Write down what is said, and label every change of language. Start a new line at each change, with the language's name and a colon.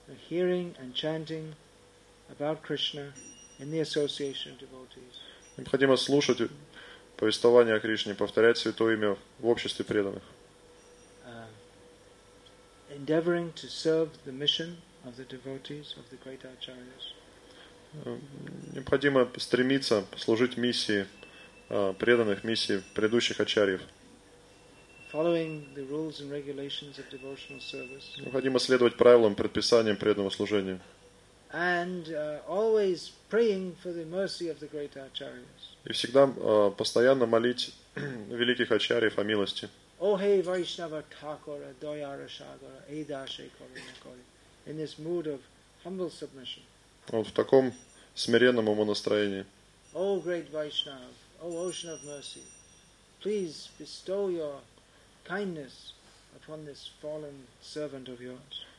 English: Hearing and chanting about Krishna in the association of devotees.
Russian: Необходимо слушать повествование о Кришне, повторять святое имя в обществе преданных.
English: Endeavoring to serve the mission of the devotees of the great acharyas.
Russian: Необходимо стремиться служить миссии преданных, миссии предыдущих ачарьев.
English: Following the rules and regulations of devotional service.
Russian: Необходимо следовать правилам, предписаниям преданного служения.
English: And always praying for the mercy of the great acharyas.
Russian: И всегда постоянно молить великих ачарьев о милости.
Bangla: Ohe Vaishnava Thakura Doyara Shagara Edashe Kori Nakori.
English: In this mood of humble submission.
Russian: Вот в таком смиренном умонастроении.
English: O great Vaishnav, O ocean of mercy, please bestow your kindness upon this fallen servant of yours.